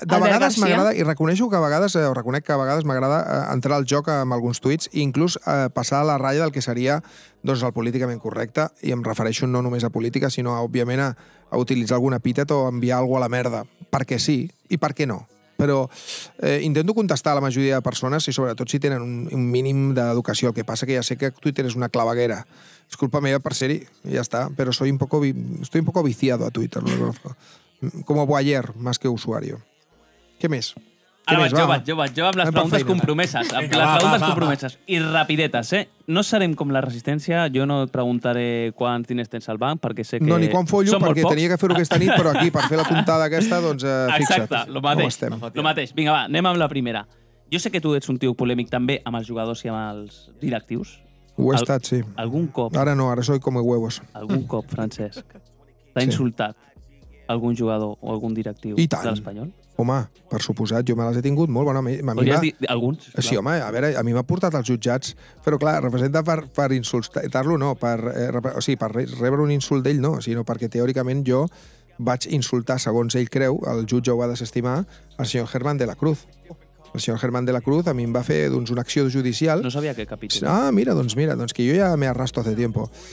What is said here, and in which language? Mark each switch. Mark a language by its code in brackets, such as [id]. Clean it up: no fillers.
[ca] De vegades m'agrada, i reconeixo que a vegades, o reconec que a vegades m'agrada entrar al joc amb alguns tuits i inclús passar a la ratlla del que seria doncs el políticament correcte, i em refereixo no només a política, sinó òbviament a utilitzar algun epítet o enviar alguna cosa a la merda, perquè sí i perquè no. Però intento contestar a la majoria de persones i sobretot si tenen un mínim d'educació. El que passa que ja sé que Twitter és una claveguera. És culpa meva per ser-hi, ja està. [es] Però estoy un poco viciado a Twitter. Como voyeur, más que usuario. [ca] Què més? Jo amb les preguntes compromeses. I rapidetes, eh? No serem com la resistència. Jo no et preguntaré quants diners tens al banc, perquè sé que... No, ni quan follo, perquè tenia que fer-ho aquesta nit, però aquí, per fer la puntada aquesta, doncs fixa't. Exacte, el mateix. Vinga, va, anem amb la primera. Jo sé que tu ets un tio polèmic també amb els jugadors i amb els directius. Ho he estat, sí. Algun cop... Ara no, ara [es] soy come huevos. [ca] Algun cop, Francesc, t'ha insultat algun jugador o algun directiu de l'Espanyol? Home, per suposat, jo me les he tingut molt. Bueno, a mi alguns? Sí, clar. Home, a veure, a mi m'ha portat als jutjats, però clar, representa per insultar-lo, no, per rebre un insult d'ell, no, sinó perquè teòricament jo vaig insultar, segons ell creu, el jutge ho va desestimar, el senyor Germán de la Cruz. El senyor Germán de la Cruz a mi em va fer doncs, una acció judicial. No sabia què capítol. Ah, mira, doncs que jo ja [es] me arrasto hace tiempo.